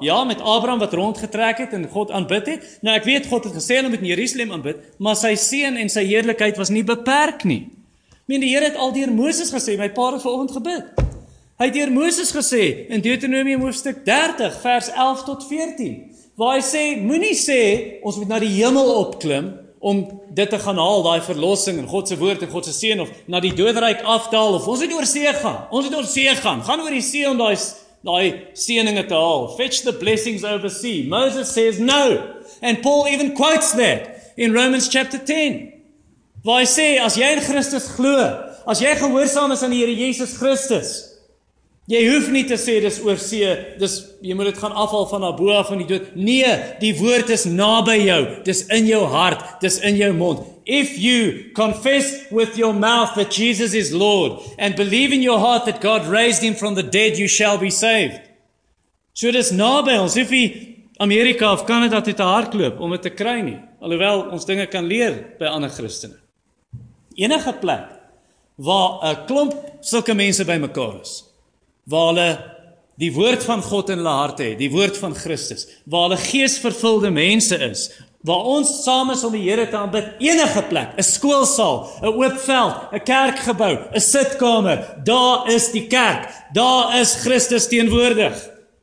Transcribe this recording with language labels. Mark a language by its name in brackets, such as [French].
[Afrikaans] Ja, met Abraham wat rondgetrek het en God aanbid het. Nou ek weet God het gesê hulle moet in Jerusalem aanbid, maar sy seën en sy heerlikheid was nie beperk nie. Mien die Here het al deur Moses gesê, my pa het vanoggend gebid. Hy het deur Moses gesê in Deuteronomium hoofstuk 30 vers 11 tot 14 waar hy sê moenie sê ons moet na die hemel opklim om dit te gaan haal daai verlossing en God se woord en God se seën of na die doodryk afdaal of ons moet oor see gaan. Ons moet oor see gaan. Gaan oor die see om daai seëninge te haal. [English] Fetch the blessings over sea. Moses says no. And Paul even quotes that in Romans chapter 10. [Afrikaans] Waar hy sê as jy in Christus glo, as jy gehoorsaam is aan die Here Jesus Christus Jy hoef nie te sê, dis oor see, dis, jy moet het gaan afval van daar bo af van die dood. Nee, die woord is naby jou, dis in jou hart, dis in jou mond. [English] If you confess with your mouth that Jesus is Lord, and believe in your heart that God raised him from the dead, you shall be saved. [Afrikaans] So dis naby ons, hoef jy Amerika of Canada toe te hardloop om het te kry nie. Alhoewel, ons dinge kan leer by ander Christene. Enige plek, waar 'n klomp sulke mense by mekaar is, waar hulle die woord van God in hulle harte het, die woord van Christus, waar hulle geesvervulde mense is, waar ons saam is om die Here te aanbid, enige plek, 'n skoolsaal, 'n oop veld, 'n kerkgebou, 'n sitkamer, daar is die kerk, daar is Christus teenwoordig.